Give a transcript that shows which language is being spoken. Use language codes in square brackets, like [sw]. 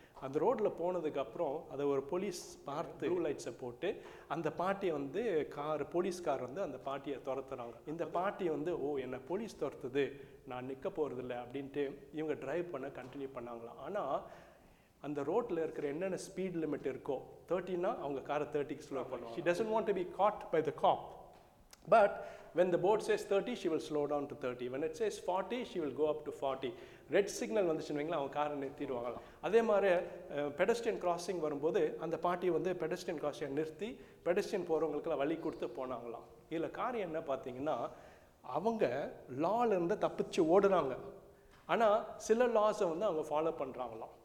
[ta] அந்த ரோட்டில் போனதுக்கப்புறம் அதை ஒரு போலீஸ் பார்த்து ப்ளூ லைட்ஸை போட்டு அந்த பாட்டியை வந்து கார் போலீஸ் கார் வந்து அந்த பாட்டியை துரத்துறாங்க. இந்த பாட்டி வந்து ஓ என்னை போலீஸ் துரத்துது நான் நிற்க போகிறதில்ல அப்படின்ட்டு இவங்க டிரைவ் பண்ண கண்டினியூ பண்ணாங்களாம். ஆனால் அந்த ரோட்டில் இருக்கிற என்னென்ன ஸ்பீட் லிமிட் இருக்கோ 30 அவங்க காரை 30 ஸ்லோ பண்ணுவாங்க. [en] She doesn't want to be caught by the cop. But when the board says 30, she will slow down to 30. When it says 40, she will go up to 40. [ta] Red signal வந்துச்சுன்னு அவங்க காரை நிறுத்திடுவாங்க. அதே மாதிரி பெடஸ்டியன் crossing வரும்போது அந்த பாட்டி வந்து பெடஸ்டியன் கிராசிங் நிறுத்தி பெடஸ்டியன் போகிறவங்களுக்கெல்லாம் வழி கொடுத்து போனாங்களாம். இதில் காரியம் என்ன பார்த்தீங்கன்னா, அவங்க லாலேருந்து தப்பிச்சு ஓடுறாங்க, ஆனால் சில லாஸை வந்து அவங்க ஃபாலோ பண்ணுறாங்களாம்.